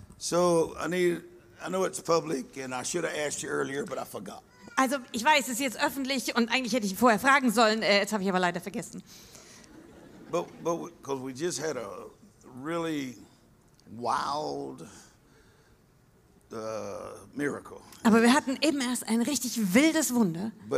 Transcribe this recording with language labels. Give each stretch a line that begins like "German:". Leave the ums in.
English: So, I need I know it's public and I should have asked you earlier, but I forgot.
German: Also, ich weiß, es ist öffentlich und eigentlich hätte ich vorher fragen sollen, äh, jetzt habe ich aber leider vergessen.
English: But, but we, we just had a really wild Uh,
German: Aber wir hatten eben erst ein richtig wildes Wunder.